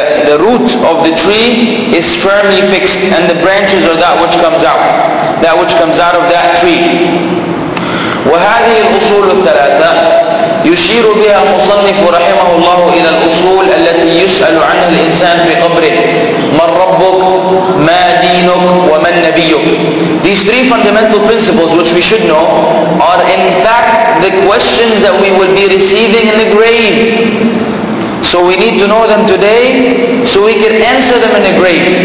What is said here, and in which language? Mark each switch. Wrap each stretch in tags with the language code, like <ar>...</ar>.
<en>The root of the tree is firmly fixed, and the branches are that which comes out, that which comes out of that tree.</en> <ar>وهذه الأصول الثلاثة يشير بها المصنف رحمه الله إلى الأصول التي يسأل عنها الإنسان في قبره. من ربك؟ ما دينك؟ ومن نبيك؟</ar> <en>These three fundamental principles which we should know are in fact the questions that we will be receiving in the grave. So we need to know them today so we can answer them in the grave.</en>